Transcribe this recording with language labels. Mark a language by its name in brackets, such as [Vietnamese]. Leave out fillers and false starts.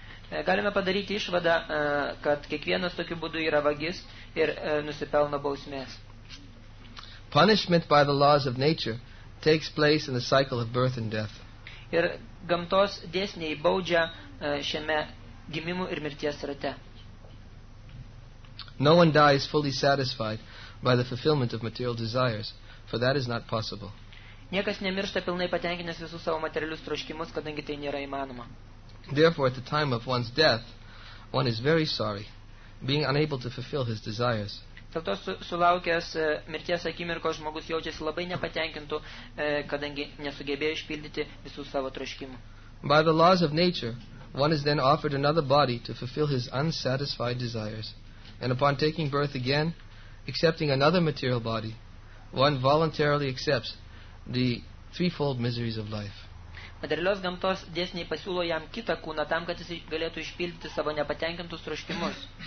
[Lithuanian] Galime padaryti išvadą, kad kiekvienas tokiu būdu yra vagis ir nusipelno bausmės. [English] Punishment by the laws of nature takes place in the cycle of birth and death. [Lithuanian] Ir gamtos dėsniai baudžia šiame gimimų ir mirties rate. [English] No one dies fully satisfied by the fulfillment of material desires, for that is not possible. [Lithuanian] Niekas nemiršta pilnai patenkinęs visus savo materialius troškimus, kadangi tai nėra įmanoma. [English] Therefore, at the time of one's death, one is very sorry, being unable to fulfill his desires. [Lithuanian] Dėl to sulaukęs mirties akimirkos žmogus jaučiasi labai nepatenkintų, kadangi nesugebėjo išpildyti visus savo troškimus. [English] By the laws of nature, one is then offered another body to fulfill his unsatisfied desires, and upon taking birth again, accepting another material body, one voluntarily accepts the threefold miseries of life. [Lithuanian] Materialios gamtos dėsniai pasiūlo jam kitą kūną tam, kad jis galėtų išpildyti savo nepatenkintus troškimus.